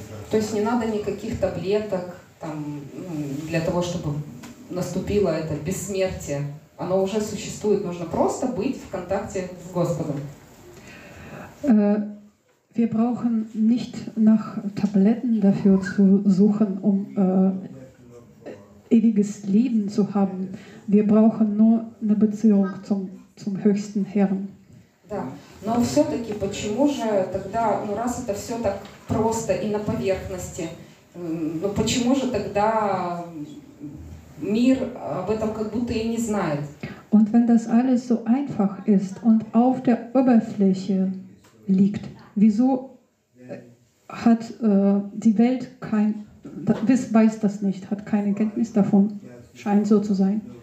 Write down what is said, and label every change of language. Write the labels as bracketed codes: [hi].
[ru] То есть не надо никаких таблеток там для того, чтобы наступило это бессмертие. Оно уже существует. Нужно просто быть в контакте с Господом. [de] Wir brauchen nicht nach Tabletten dafür zu suchen, um ewiges Leben zu haben. Wir brauchen nur eine Beziehung zum höchsten Herrn. [ru] Да, но все-таки почему же тогда, ну раз это все так просто и на поверхности, ну почему же тогда мир об этом как будто и не знает? [de] Und wenn das alles so einfach ist und auf der Oberfläche liegt, wieso hat die Welt kein, weiß das nicht, hat keine Kenntnis davon, scheint so zu sein?